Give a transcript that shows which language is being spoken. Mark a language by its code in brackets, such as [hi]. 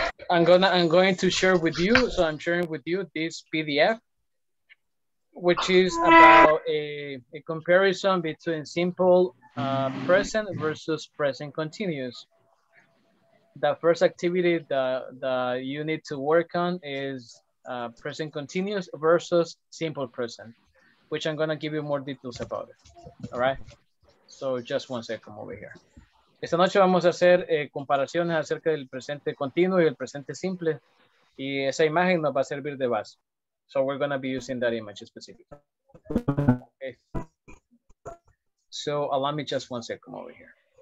[en] I'm going to share with you, so I'm sharing with you this PDF, which is about a comparison between simple present versus present continuous. The first activity that you need to work on is present continuous versus simple present, which I'm going to give you more details about it. All right? So just one second over here. [es] Esta noche vamos a hacer comparaciones acerca del presente continuo y el presente simple, y esa imagen nos va a servir de base. [en] So we're going to be using that image specifically. Okay. So allow me just one second over here.